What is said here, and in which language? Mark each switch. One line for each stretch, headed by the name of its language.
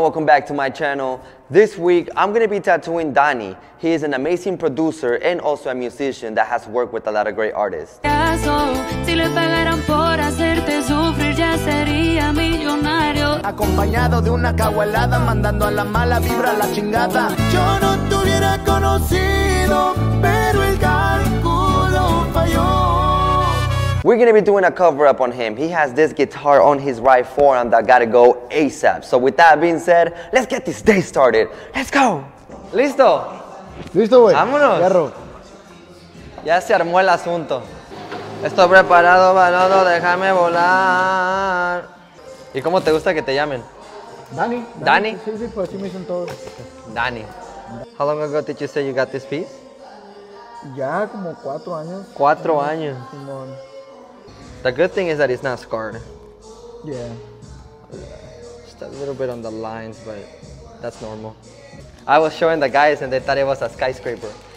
English: Welcome back to my channel. This week, I'm gonna be tattooing Danny. He is an amazing producer and also a musician that has worked with a lot of great artists.
Spanish: Si le pagaran por hacerte sufrir, ya sería millonario. Acompañado de una cagualada, mandando a la mala vibra la chingada. Yo no te hubiera conocido, pero el cálculo falló.
English: We're gonna be doing a cover up on him. He has this guitar on his right forearm that gotta go ASAP. So with that being said, let's get this day started. Let's go.
Spanish: Listo. Listo, güey. Vámonos. Garro. Ya se armó el asunto. Estoy preparado, baloto, déjame volar. ¿Y cómo te gusta que te llamen? Dani. Dani. Sí, sí, pues así me dicen todos. Dani.
English: How long ago did you say you got this piece?
Spanish: Ya como 4 años. ¿4 años? Simón.
English: The good thing is that it's not scarred. Yeah. Just a little bit on the lines, but that's normal. I was showing the guys and they thought it was a skyscraper.